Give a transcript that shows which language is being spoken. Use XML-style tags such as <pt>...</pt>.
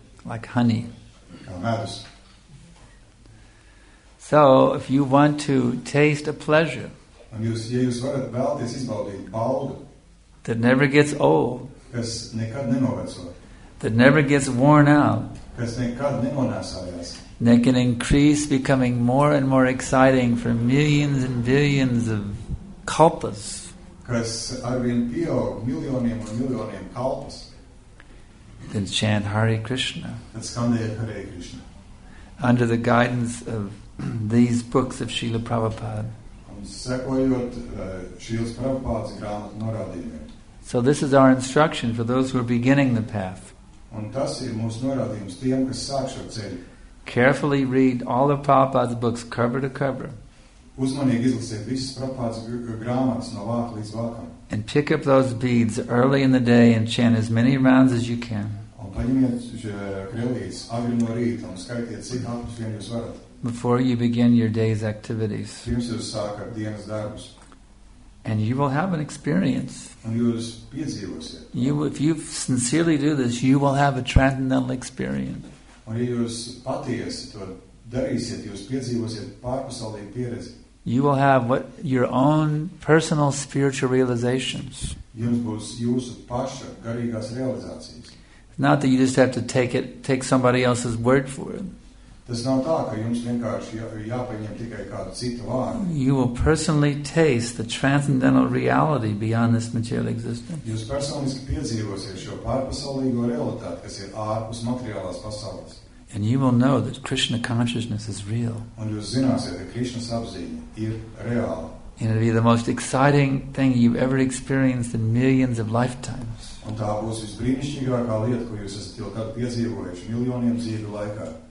<en>Like honey.</en> <lv>Kā medus.</lv> <en>So, if you want to taste a pleasure,</en> <lv>un jūs, ja jūs varat vēlties izbaudīt baudu,</lv> <en>that never gets old,</en> <lv>kas nekad nenoveco,</lv> <en>that never gets worn out,</en> <lv>kas nekad nenonāsājās,</lv> <en>that can increase becoming more and more exciting for millions and billions of kalpas,</en> <lv>kas arvien pieaug miljoniem un miljoniem kalpas,</lv> <en>then chant Hare Krishna.</en> <lv>Tad skandēt Hare Krishna.</lv> <en>Under the guidance of these books of Srila Prabhupada.</en> <lv>Sekojot Srila Prabhupāda grāmatu norādījumiem.</lv> <en>So this is our instruction for those who are beginning the path.</en> <lv>Un tas ir mūsu norādījums tiem, kas sāk šo ceļu.</lv> <en>Carefully read all of Prabhupāda's books cover to cover.</en> <lv>Uzmanīgi izlasiet visas Prabhupāda's grāmatas no vāka līdz vākam.</lv> <en>And pick up those beads early in the day and chant as many rounds as you can.</en> <lv>Un paņemiet krellītes agri no rīta un skaitiet, cik daudz vien jūs varat.</lv> <en>Before you begin your day's activities.</en> <lv>Pirms jūs sākat dienas darbus.</lv> <en>And you will have an experience.</en> <lv>Un jūs piedzīvosiet.</lv> <en>If you sincerely do this, you will have a transcendental experience.</en> <lv>Un ja jūs patiesi to darīsiet, jūs piedzīvosiet pārpasaulīgu pieredzi.</lv> <en>You will have what your own personal spiritual realizations.</en> <lv>Jums būs jūsu paša garīgās realizācijas.</lv> <en>Not that you just have to take somebody else's word for it.</en> <lv>Tas nav tā, ka jums vienkārši jāpaņem tikai kādu citu vārdu.</lv> <en>You will personally taste the transcendental reality beyond this material existence.</en> <lv>Jūs personiski piedzīvosiet šo pārpasaulīgo realitāti, kas ir ārpus materiālās pasaules.</lv> <en>And you will know that Krishna consciousness is real.</en> <lv>Un jūs zināsiet, ka Krishna apziņa ir reāla.</lv> <en>And it'll be the most exciting thing you've ever experienced in millions of lifetimes.</en> <lv>Un tā būs visbrīnišķīgākā lieta, ko jūs esat jau kad piedzīvojuši miljoniem dzīvi laikā.</lv>